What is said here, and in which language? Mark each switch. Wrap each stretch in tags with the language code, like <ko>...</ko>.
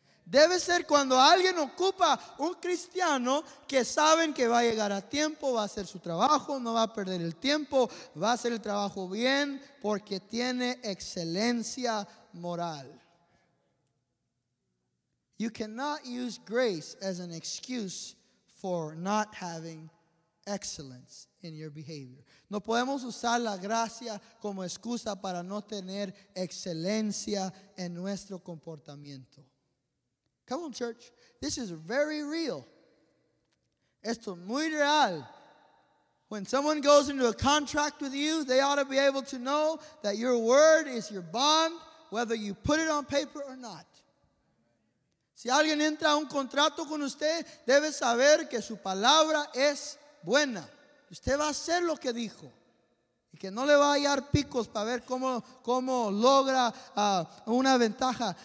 <es>Debe ser cuando alguien ocupa un cristiano que saben que va a llegar a tiempo, va a hacer su trabajo, no va a perder el tiempo, va a hacer el trabajo bien porque tiene excelencia moral.</es> <en>You cannot use grace as an excuse for not having excellence in your behavior.</en> <es>No podemos usar la gracia como excusa para no tener excelencia en nuestro comportamiento.</es> <en>Come on, church. This is very real.</en> <es>Esto es muy real.</es> <en>When someone goes into a contract with you, they ought to be able to know that your word is your bond, whether you put it on paper or not.</en> <es>Si alguien entra a un contrato con usted, debe saber que su palabra es buena. Usted va a hacer lo que dijo. Y que no le va a hallar picos para ver cómo logra una ventaja.</es>